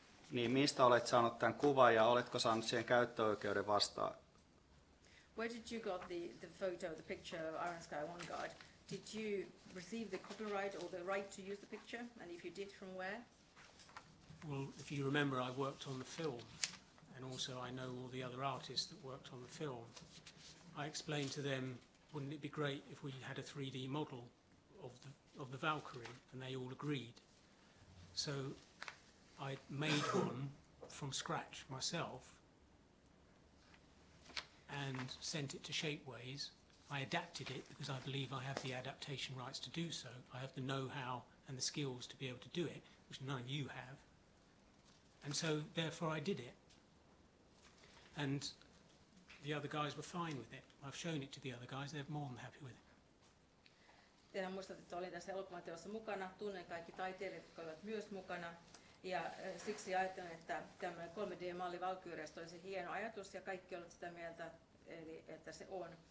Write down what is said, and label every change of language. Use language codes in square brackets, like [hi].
[fi] Niin mistä olet saanut tämän kuvan ja oletko saanut siihen käyttöoikeuden vastaan? [en] Where did you got the photo, the picture of Iron Sky Vanguard? Did you receive the copyright or the right to use the picture? And if you did, from where? Well, if you remember, I worked on the film, and also I know all the other artists that worked on the film. I explained to them, wouldn't it be great if we had a 3D model of the Valkyrie? And they all agreed. So I made one from scratch myself and sent it to Shapeways. I adapted it because I believe I have the adaptation rights to do so. I have the know-how and the skills to be able to do it, which none of you have. And so therefore I did it. And the other guys were fine with it. I've shown it to the other guys, they're more than happy with it. [fi] Tehän muistat, että olin tässä elokuvateossa mukana, tunnen kaikki taiteilijat, jotka olivat myös mukana. Ja siksi ajattelin, että tämmöinen 3D-malli Valkyriasta olisi hieno ajatus ja kaikki olivat sitä mieltä, eli että se on.